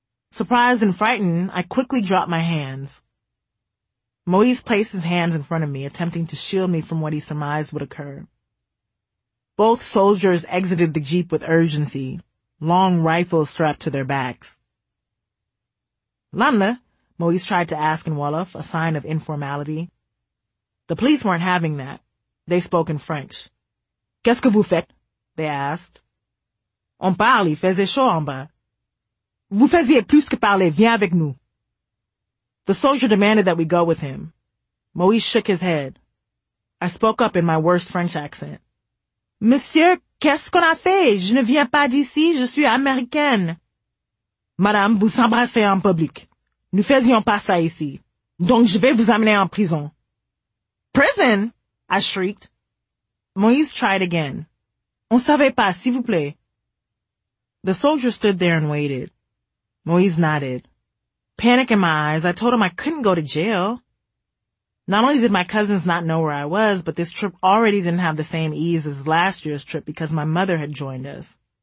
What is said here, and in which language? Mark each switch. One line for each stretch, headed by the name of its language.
English: Surprised and frightened, I quickly dropped my hands. Moise placed his hands in front of me, attempting to shield me from what he surmised would occur. Both soldiers exited the jeep with urgency, long rifles strapped to their backs. "Lanle?" Moise tried to ask in Wolof, a sign of informality. The police weren't having that. They spoke in French.
French: "Qu'est-ce que vous faites?"
English: they asked.
French: "On parle, il faisait chaud en bas. Vous faisiez plus que parler, viens avec nous."
English: The soldier demanded that we go with him. Moise shook his head. I spoke up in my worst French accent.
French: "Monsieur, qu'est-ce qu'on a fait? Je ne viens pas d'ici, je suis américaine." "Madame, vous embrassez en public. Nous faisions pas ça ici. Donc je vais vous amener en prison." "Prison?"
English: I shrieked. Moise tried again.
French: "On savait pas, s'il vous plaît."
English: The soldier stood there and waited. Moise nodded. Panic in my eyes, I told him I couldn't go to jail. Not only did my cousins not know where I was, but this trip already didn't have the same ease as last year's trip because my mother had joined us.